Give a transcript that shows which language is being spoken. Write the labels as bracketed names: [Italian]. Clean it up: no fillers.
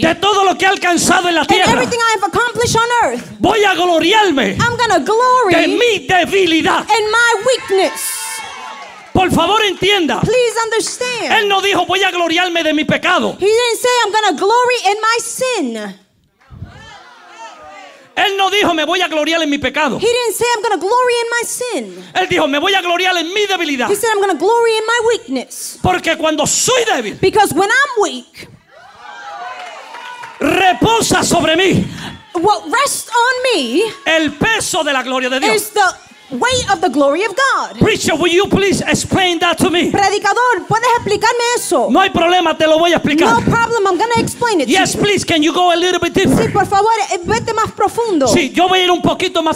[Spanish] De todo lo que he alcanzado en la tierra. [English] In everything I have accomplished on earth. [Spanish] Voy a gloriarme. [English] I'm going to glory. [Spanish] De mi debilidad. [English] In my weakness. [Spanish] Por favor, entienda. [English] Please understand. [Spanish] Él no dijo voy a gloriarme de mi pecado. [English] He didn't say I'm going to glory in my sin. [Spanish] Él no dijo me voy a gloriar en mi pecado. [English] He didn't say I'm going to glory in my sin. [Spanish] Él dijo me voy a gloriar en mi debilidad. [English] He said I'm going to glory in my weakness. [Spanish] Porque cuando soy débil. [English] Because when I'm weak. [Spanish] Reposa sobre mí. [English] What rests on me. [Spanish] El peso de la gloria de Dios. [English] Is the weight of the glory of God. Preacher, will you please explain that to me? [Spanish] Predicador, ¿puedes explicarme eso? No hay problema, te lo voy a explicar. [English] No problem, I'm going to explain it. Yes, to please, you. Can you go a little bit deeper? [Spanish] Sí, por favor, vete más profundo. Sí, yo voy a ir un poquito más